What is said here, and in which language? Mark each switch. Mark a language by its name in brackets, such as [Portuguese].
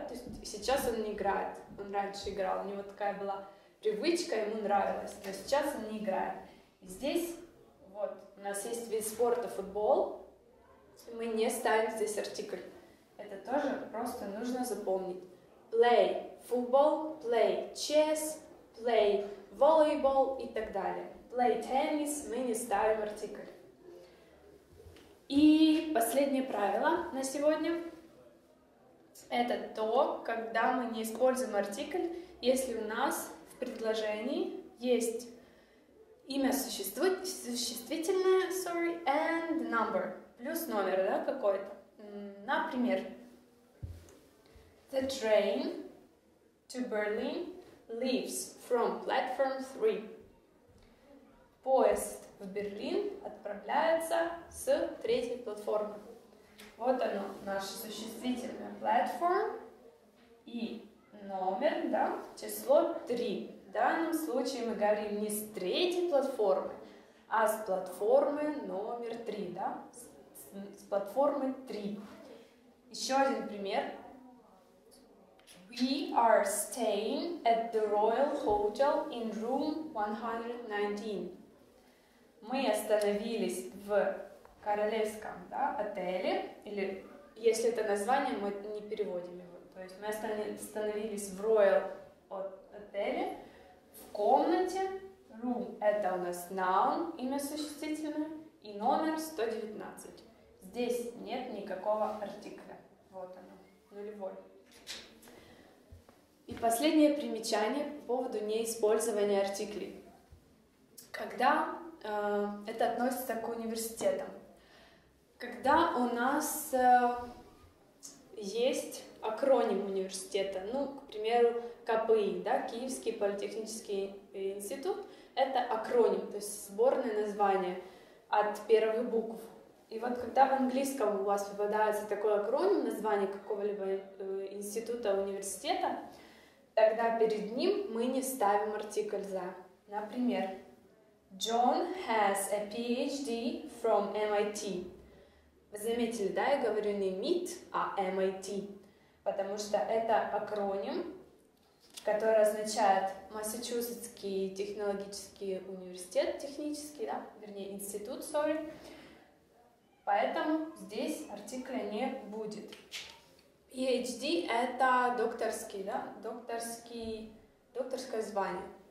[Russian] То есть сейчас он не играет, он раньше играл. У него такая была привычка, ему нравилось, но сейчас он не играет. Здесь вот у нас есть вид спорта футбол, и мы не ставим здесь артикль. Это тоже просто нужно запомнить. [English] Play футбол, play chess, play volleyball [Russian] и так далее. Play теннис, мы не ставим артикль. И последнее правило на сегодня. Это то, когда мы не используем артикль, если у нас в предложении есть имя существительное, [English] sorry, and number, [Russian] плюс номер, да, какой-то. Например, [English] the train to Berlin leaves from platform 3. [Russian] Поезд в Берлин отправляется с третьей платформы. Вот оно, наше существительное, platform и номер, да, число 3. В данном случае мы говорим не с третьей платформы, а с платформы номер 3, да? С платформы 3. Еще один пример. [English] We are staying at the Royal Hotel in room 119. [Russian] Мы остановились в королевском, да, отеле, или если это название, мы не переводим его. То есть мы остановились в Royal отеле. В комнате, room, это у нас noun, имя существительное, и номер 119. Здесь нет никакого артикля. Вот оно, нулевой. И последнее примечание по поводу неиспользования артиклей. Когда это относится к университетам? Когда у нас есть акроним университета, ну, к примеру, КПИ, да, Киевский политехнический институт, это акроним, то есть сборное название от первых букв. И вот когда в английском у вас попадается такой акроним, название какого-либо института, университета, тогда перед ним мы не ставим артикль «за». Например, [English] John has a PhD from MIT. [Russian] Вы заметили, да, я говорю не MIT, а MIT, потому что это акроним, который означает Массачусетский технологический университет, технический, да, вернее, институт, sorry. Поэтому здесь артикля не будет. PhD — это докторский, да, докторское звание.